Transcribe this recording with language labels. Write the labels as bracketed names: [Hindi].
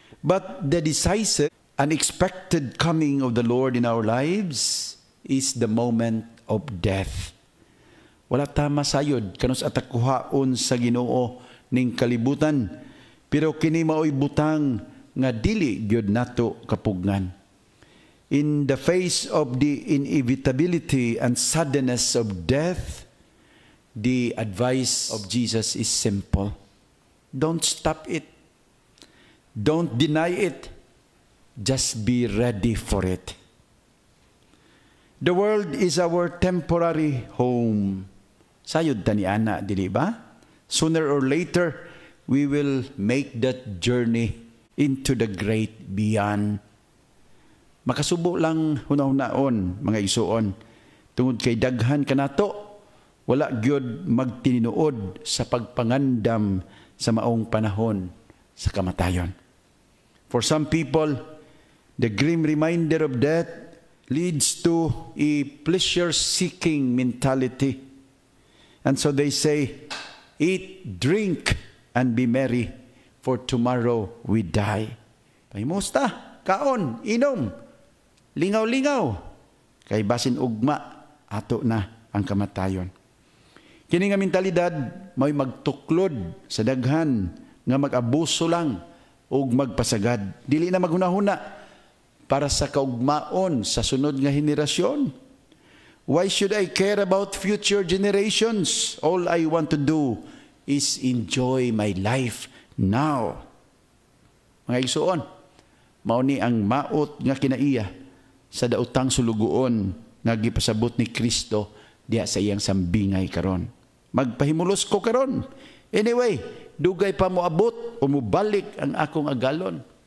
[English] But the decisive, unexpected coming of the Lord in our lives is the moment of death. [Cebuano] Wala tama sayod kanus atakuhaon sa Ginoo ning kalibutan, pero kini maoy butang nga dili gyud nato kapugngan. [English] In the face of the inevitability and suddenness of death, the advice of Jesus is simple. Don't stop it. Don't deny it. Just be ready for it. The world is our temporary home. [Cebuano] Sayod tani ana, dili ba? [English] Sooner or later, we will make that journey into the great beyond. [Cebuano] Makasubo lang hunahunaon, mga isuon. Tungod kay daghan kanato, wala gyud magtininuod sa pagpangandam sa maong panahon sa kamatayon. [English] For some people, the grim reminder of death leads to a pleasure-seeking mentality. And so they say, eat, drink, and be merry, for tomorrow we die. [Cebuano] Pahimusta, kaon, inom, lingaw-lingaw, kay basin ugma, ato na ang kamatayon. Kini nga mentalidad may magtuklod sa daghan nga mag-abuso lang ug magpasagad. Dili na maghunahuna para sa kaugmaon sa sunod nga henerasyon. [English] Why should I care about future generations? All I want to do is enjoy my life now. [Cebuano] Mga isuon, mauni ang maot nga kinaiya sa dautang sulugoon nga gipasabot ni Kristo diha sa iyang sambingay karon. Magpahimulos ko karon. Anyway, dugay pa moabot o mubalik ang akong agalon.